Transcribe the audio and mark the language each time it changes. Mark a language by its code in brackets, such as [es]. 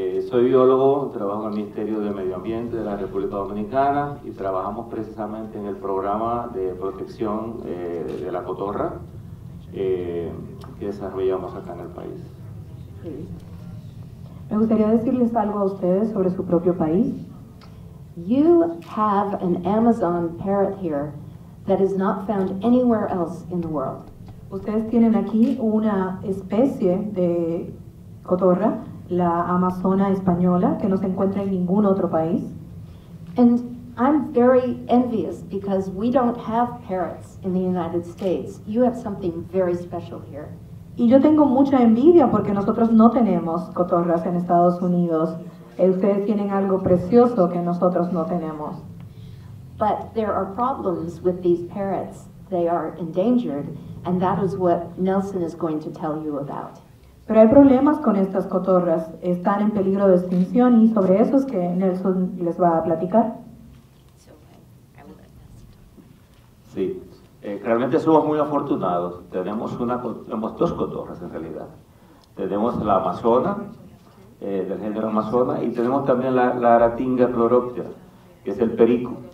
[es] Soy biólogo, trabajo en el Ministerio de Medio Ambiente de la República Dominicana y trabajamos precisamente en el programa de protección de la cotorra que desarrollamos acá en el país. Me gustaría decirles algo a ustedes sobre su propio país. [en] You have an Amazon parrot here that is not found anywhere else in the world. [es] Ustedes tienen aquí una especie de cotorra, la amazona española, que no se encuentra en ningún otro país. [en] And I'm very envious because we don't have parrots in the United States. You have something very special here. [es] Y yo tengo mucha envidia porque nosotros no tenemos cotorras en Estados Unidos. Ustedes tienen algo precioso que nosotros no tenemos. [en] But there are problems with these parrots. They are endangered, and that is what Nelson is going to tell you about. [es] Pero hay problemas con estas cotorras. Están en peligro de extinción y sobre eso es que Nelson les va a platicar. Sí. Realmente somos muy afortunados. Tenemos dos cotorras en realidad. Tenemos la amazona, del género amazona, y tenemos también la aratinga cloroptera, que es el perico.